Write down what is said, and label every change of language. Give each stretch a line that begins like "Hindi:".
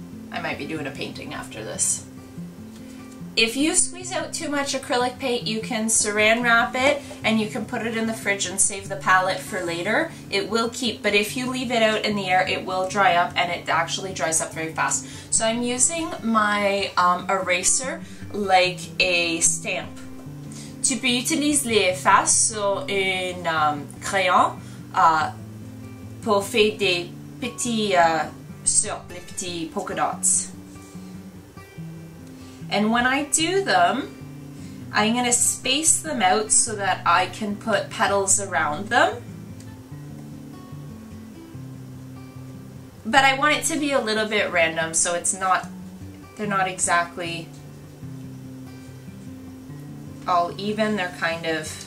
English: I might be doing a painting after this. If you squeeze out too much acrylic paint, you can saran wrap it and you can put it in the fridge and save the palette for later. It will keep, but if you leave it out in the air, it will dry up, and it actually dries up very fast. So I'm using my eraser like a stamp.
French: Tu peux utiliser l'efface sur un crayon pour faire des petits cercles, les petits polka dots.
English: And when I do them, I'm gonna space them out so that I can put petals around them. But I want it to be a little bit random, so it's not, they're not exactly all even, they're kind of...